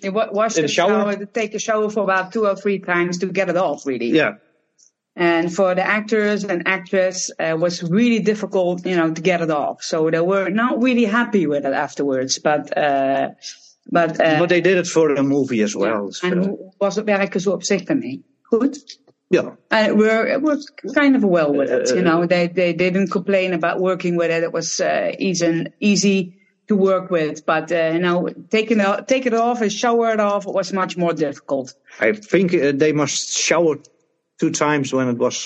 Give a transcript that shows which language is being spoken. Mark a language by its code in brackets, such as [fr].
[en] Take a shower for about two or three times to get it off, really. Yeah. And for the actors and actress, it was really difficult, to get it off. So they were not really happy with it afterwards. But But they did it for a movie as well. Yeah. [nl] And was het werken zo op zich dan niet goed? Ja. [en] And it was kind of well with it, you know. They didn't complain about working with it. It was easy to work with. But taking it off and shower it off, it was much more difficult. I think they must shower 2 times when it was...